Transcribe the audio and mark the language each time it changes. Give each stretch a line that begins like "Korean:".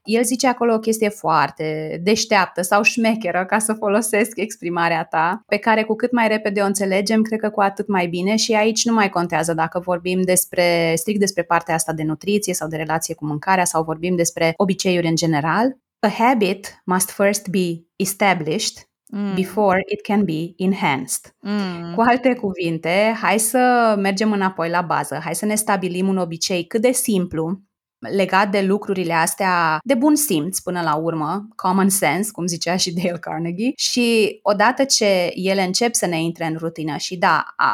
Romanian: El zice acolo o chestie foarte deșteaptă sau șmecheră, ca să folosesc exprimarea ta, pe care cu cât mai repede o înțelegem, cred că cu atât mai bine, și aici nu mai contează dacă vorbim despre strict despre partea asta de nutriție sau de relație cu mâncarea sau vorbim despre obiceiuri în general.
English: A habit must first be established before it can be enhanced.
Romanian: Cu alte cuvinte, hai să mergem înapoi la bază, hai să ne stabilim un obicei cât de simplu legat de lucrurile astea de bun simț până la urmă, common sense, cum zicea și Dale Carnegie, și odată ce ele încep să ne intre în rutină și da,